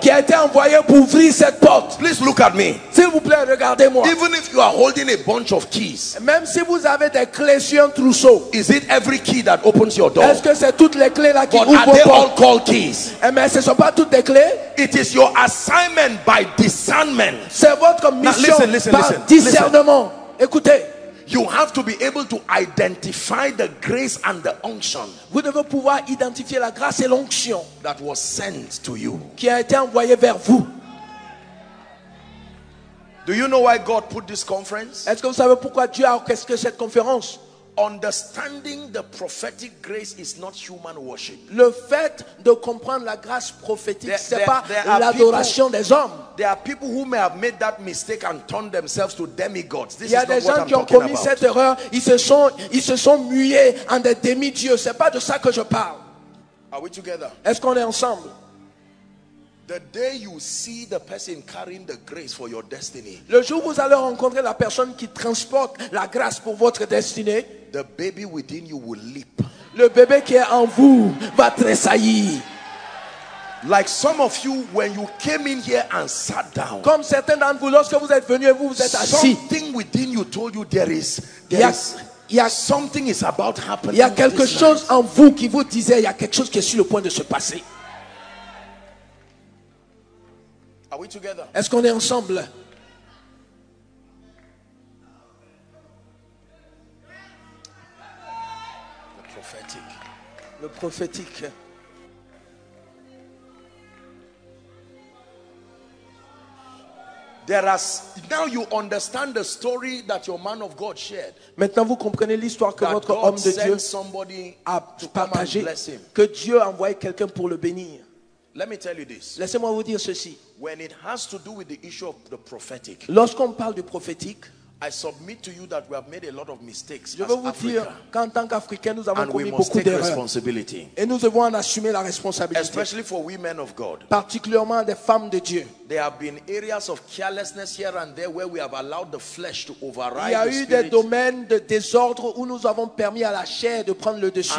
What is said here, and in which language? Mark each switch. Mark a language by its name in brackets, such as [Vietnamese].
[French] Qui a été envoyé pour ouvrir cette porte. [English] Please look at me. [French] S'il vous plaît, regardez-moi. [English] Even if you are holding a bunch of keys. [French] Même si vous avez des clés sur un trousseau. [English] Is it every key that opens your door? [French] Est-ce que c'est toutes les clés là qui [English] but [French] ouvrent [English] are they [French] porte? [English] All called keys? [French] Et mais ce sont pas toutes des clés? [English] It is your assignment by discernment. [French] C'est votre mission [English] now, listen, [French] par discernement. [English] Listen. [French] Écoutez. [English] You have to be able to identify the grace and the unction. [French] Vous devez pouvoir identifier la grâce et l'onction [English] that was sent to you. [French] Qui a été envoyé vers vous. [English] Do you know why God put this conference? [French] Est-ce que vous savez pourquoi Dieu a orchestré cette conférence? [English] Understanding the prophetic grace is not human worship. [French] Le fait de comprendre la grâce prophétique, ce n'est pas l'adoration des hommes. [English] There are people who may have made that mistake and turned themselves to demigods. [French] Il y a des gens qui ont commis cette erreur. Ils se sont mués en des demi-dieux. Ce n'est pas de ça que je parle. [English] Are we together? [French] Est-ce qu'on est ensemble? [English] The day you see the person carrying the grace for your destiny. [French] Le jour où vous allez rencontrer la personne qui transporte la grâce pour votre destinée. [English] The baby within you will leap. [French] Le bébé qui est en vous va tressaillir. [English] Like some of you when you came in here and sat down. [French] Comme certains d'entre vous lorsque vous êtes venus et vous vous êtes assis. [English] Something within you told you there is. Something is about happening. [French] Il y a quelque chose en vous qui vous disait il y a quelque chose qui est sur le point de se passer. [English] Are we together? [French] Est-ce qu'on est ensemble? [English] The prophetic. [French] Le prophétique. [English] There is now you understand the story that your man of God shared. [French] Maintenant vous comprenez l'histoire que [English] that [French] votre [English] God [French] homme de Dieu [English] somebody [French] a partagé que Dieu a envoyé quelqu'un pour le bénir. [English] Let me tell you this. [French] Laissez-moi vous dire ceci. [English] When it has to do with the issue of the prophetic. [French] Lorsqu'on parle du prophétique, [English] I submit to you that we have made a lot of mistakes. [French] Je veux vous dire qu'en tant qu'Africain, nous avons commis beaucoup d'erreurs. Et nous devons en assumer la responsabilité. [English] Especially for women of God. [French] Particulièrement des femmes de Dieu. [English] There have been areas of carelessness here and there where we have allowed the flesh to override. [French] Il y a eu des domaines de désordre où nous avons permis à la chair de prendre le dessus.